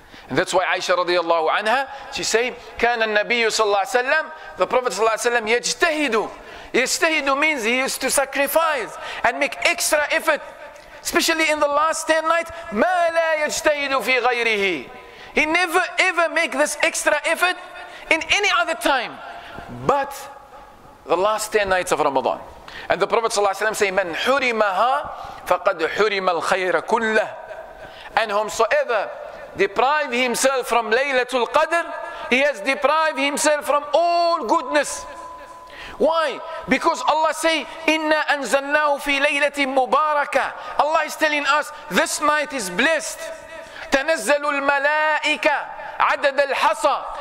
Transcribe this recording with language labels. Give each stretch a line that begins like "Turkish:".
English: And that's why Aisha radiyallahu anha, she said,
Arabic: كَانَ النَّبِيُّ صَلَّى اللَّهُ عَلَيْهِ وَسَلَّمُ,
English: the Prophet صلى الله عليه وسلم,
Arabic: يَجْتَهِدُ.
English: يَجْتَهِدُ means he used to sacrifice and make extra effort, especially in the last 10 nights.
Arabic: مَا لَا يَجْتَهِدُ فِي غَيْرِهِ.
English: He never ever make this extra effort in any other time but the last 10 nights of Ramadan. And the Prophet
Arabic: صلى الله عليه وسلم say, مَنْ حُرِمَهَا فَقَدْ حُرِمَ الْخَيْرَ كُلَّهُ.
English: And whomsoever deprive himself from Laylatul Qadr, he has deprived himself from all goodness. Why? Because Allah say,
Arabic: Inna anzalnahu fi laylatin mubaraka.
English: Allah is telling us, this night is blessed.
Arabic: Tanazzalu al-malaika adad al-hasa.